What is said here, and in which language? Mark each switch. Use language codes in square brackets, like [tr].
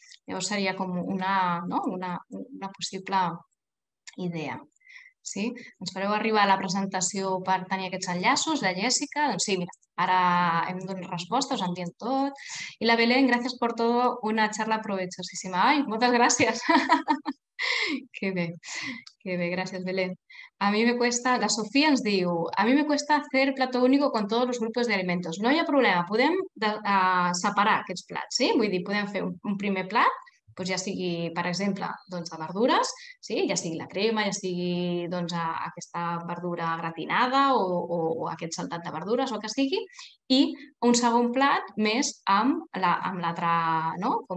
[ca] Llavors seria com una, no? una possible idea, sí? Ens fareu arribar a la presentació per tenir aquests enllaços, la Jèssica, doncs sí, mira, ara hem donat resposta, us enviem tot. I la Belén, gràcies per tot, una xerra provechosíssima. Ai, moltes gràcies! [es] Qué bien, gracias Belén. A mí me cuesta, la Sofía nos dijo, a mí me cuesta hacer plato único con todos los grupos de alimentos. No hay problema, podemos separar estos platos, ¿sí? [ca] Vull dir, [es] podemos hacer un primer plat, pues ya sigui, por ejemplo, doncs, de verduras, ¿sí? [ca] Ya sigui la crema, ya sigui doncs, aquesta verdura gratinada o aquest saltat de verduras o que sigui, i un segon plat més amb l'altra, no?